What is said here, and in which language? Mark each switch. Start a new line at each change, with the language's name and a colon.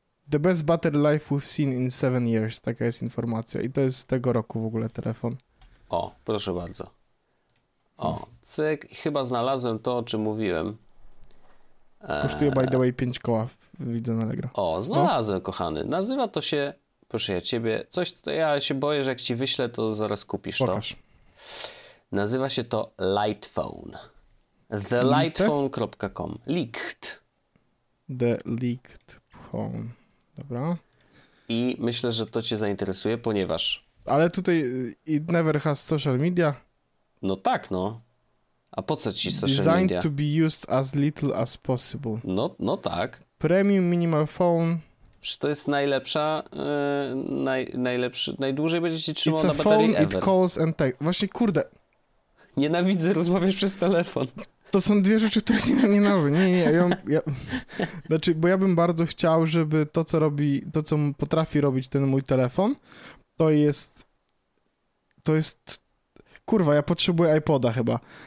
English: The best battery life we've seen in 7 years.
Polish: Taka jest informacja. I to jest z tego roku w ogóle telefon. O, proszę bardzo. O, cyk, chyba znalazłem to, o czym mówiłem. Kosztuje
English: by the way
Polish: 5 koła, widzę na Allegro. O, znalazłem, no. Kochany. Nazywa to się, proszę ja ciebie, coś, to ja się boję, że jak ci wyślę, to zaraz kupisz. Pokaż. To. Nazywa się to Lightphone.
English: TheLightphone.com. Leaked. The Leaked Phone.
Polish: Dobra. I myślę, że to cię zainteresuje, ponieważ... Ale tutaj
English: it never has social media.
Polish: No tak, no. A po co ci social
English: media? Designed to be used as little as possible.
Polish: No tak.
English: Premium minimal phone.
Polish: Czy to jest najlepsza, najlepszy, najdłużej będzie ci trzymał
English: it's
Polish: na baterii
English: phone, ever. It calls and text.
Polish: Właśnie, kurde. Nienawidzę rozmawiać przez telefon. To są dwie rzeczy, które nienawidzę. Nie. Znaczy, bo ja bym bardzo chciał, żeby to, co robi, to, co potrafi robić ten mój telefon, to jest kurwa, ja potrzebuję iPoda chyba.